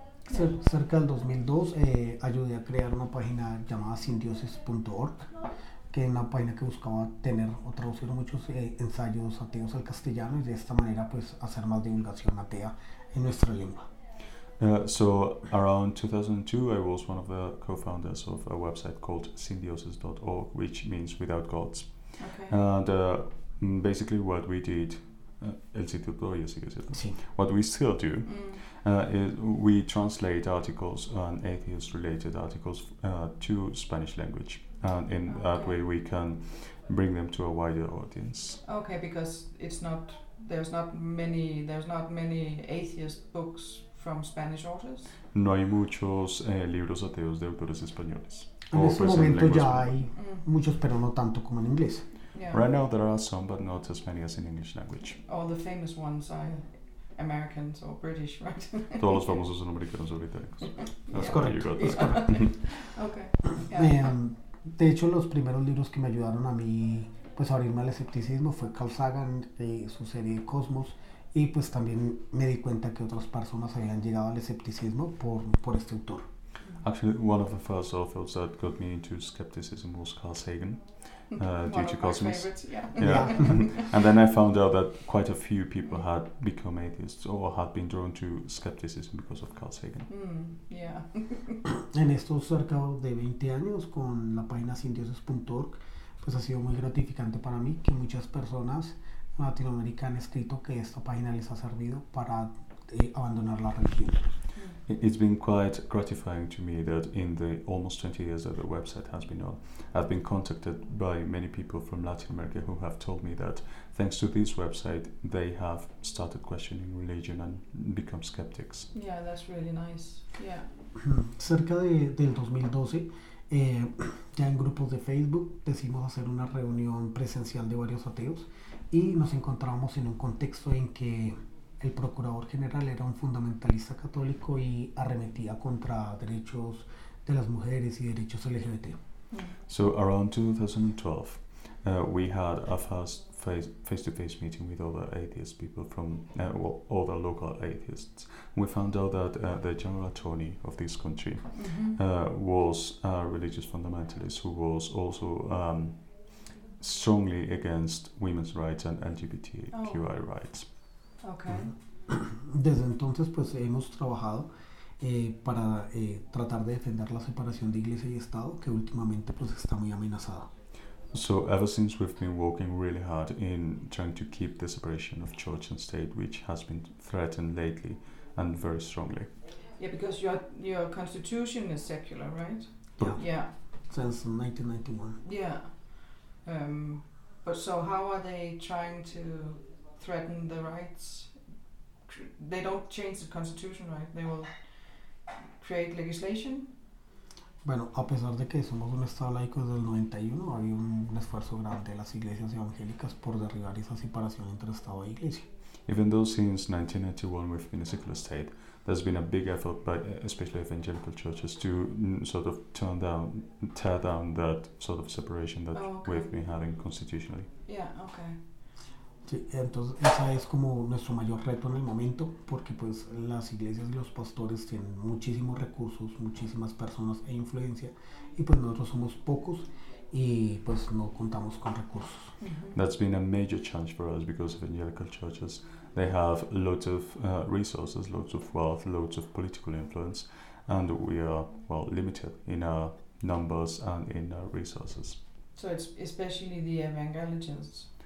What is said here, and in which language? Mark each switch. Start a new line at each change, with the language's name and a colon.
Spanish: Cerca del 2002, ayudé a crear una página llamada sindioses.org, que es una página que buscaba tener o traducir muchos ensayos ateos al castellano y de esta manera pues hacer más divulgación atea en nuestra lengua.
English: So around 2002, I was one of the co-founders of a website called sindioses.org, which means without gods. Okay. And basically what we did,
Spanish: el sitio todavía sigue siendo,
English: what we still do, is we translate articles and atheist-related articles to Spanish language. And in that way we can bring them to a wider audience. Okay, because there's not many atheist books from Spanish authors?
Spanish: No hay muchos libros ateos de autores españoles. En ese momento ya hay muchos, pero no tanto como en inglés.
English: Yeah. Right now there are some, but not as many as in English language. All the famous ones are Americans or British, right?
Spanish: Todos los famosos son americanos o británicos. Es correcto, es correcto.
English: Okay. Yeah.
Spanish: De hecho, los primeros libros que me ayudaron a mí pues a abrirme al escepticismo fue Carl Sagan, su serie de Cosmos. Y pues también me di cuenta que otras personas habían llegado al escepticismo por este autor.
English: Actually, one of the first authors that got me into skepticism was Carl Sagan. due to Cosmos. Yeah. Yeah. And then I found out that quite a few people had become atheists or had been drawn to skepticism because of Carl Sagan. Yeah.
Spanish: En estos cerca de 20 años con la página sindioses.org, pues ha sido muy gratificante para mí que muchas personas latinoamericanas han escrito que esta página les ha servido para abandonar la religión.
English: It's been quite gratifying to me that in the almost 20 years that the website has been on, I've been contacted by many people from Latin America who have told me that thanks to this website, they have started questioning religion and become skeptics. Yeah, that's really nice. Yeah.
Spanish: Cerca del 2012, ya en grupos de Facebook, decidimos hacer una reunión presencial de varios ateos y nos encontrábamos en un contexto en que el procurador general era un fundamentalista católico y arremetía contra derechos de las mujeres y derechos LGBT.
English: So around 2012, we had our first face-to-face meeting with other atheist people from all the local atheists. We found out that the general attorney of this country was a religious fundamentalist who was also strongly against women's rights and LGBTQI rights. Okay.
Spanish: Desde entonces, pues hemos trabajado para tratar de defender la separación de Iglesia y Estado, que últimamente pues está muy amenazada.
English: So ever since we've been working really hard in trying to keep the separation of church and state, which has been threatened lately and very strongly. Yeah, because your constitution is secular, right? Yeah. Yeah. Since 1991. Yeah. But so how are they trying to threaten the rights? They don't change the constitution, right? They will create legislation.
Spanish: Bueno, a pesar de que somos un estado laico desde el 91, había un esfuerzo grande de las iglesias evangélicas por derribar esa separación entre estado e iglesia.
English: Even though since 1991 we've been a secular state, there's been a big effort by especially evangelical churches to sort of tear down that sort of separation that we've been having constitutionally. Yeah, okay.
Spanish: Sí, entonces esa es como nuestro mayor reto en el momento, porque pues las iglesias y los pastores tienen muchísimos recursos, muchísimas personas e influencia, y pues nosotros somos pocos y pues no contamos con recursos.
English: That's been a major challenge for us because evangelical churches, they have lots of resources, lots of wealth, lots of political influence, and we are well limited in our numbers and in our resources. So it's especially the evangelicals.